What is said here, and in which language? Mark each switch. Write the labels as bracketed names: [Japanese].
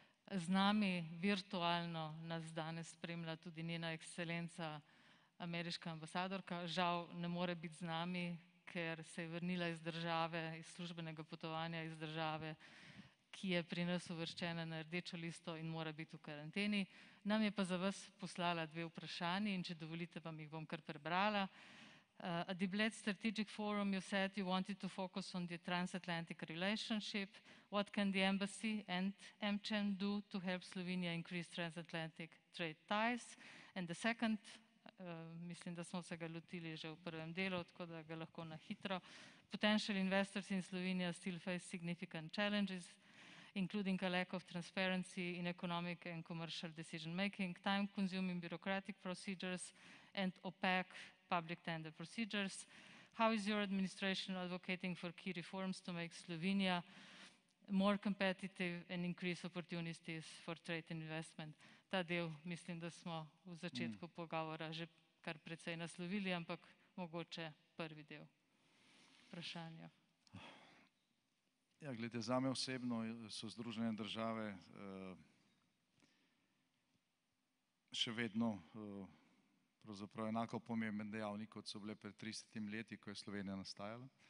[Slovenian] Z nami virtualno nas danes spremlja tudi njena ekscelenca ameriška ambasadorka, žal ne more biti z nami, ker se je vrnila iz službenega potovanja iz države, ki je pri nas uvrščena na rdečo listo in mora biti v karanteni. Nam je pa za vas poslala dve vprašanji in če dovolite, vam jih bom kar prebrala. [English] At the Bled Strategic Forum, you said you wanted to focus on the transatlantic relationship. What can the embassy and MCHEN do to help Slovenia increase transatlantic trade ties? And the second, [Slovenian] mislim, da smo se ga lotili že v prvem delu, tako da ga lahko na hitro. [English] Potential investors in Slovenia still face significant challenges, including a lack of transparency in economic and commercial decision making, time-consuming bureaucratic procedures, and opaque public tender procedures. How is your administration advocating for key reforms to make Slovenia more competitive and increase opportunities for trade and investment? [Slovenian] Ta del, mislim, da smo v začetku pogovora že kar precej naslovili, ampak mogoče prvi del vprašanja. Ja, glede, za me osebno so Združene države še vedno pravzaprav enako pomemben dejavnik, kot so bile pred 30 leti, ko je Slovenija nastajala.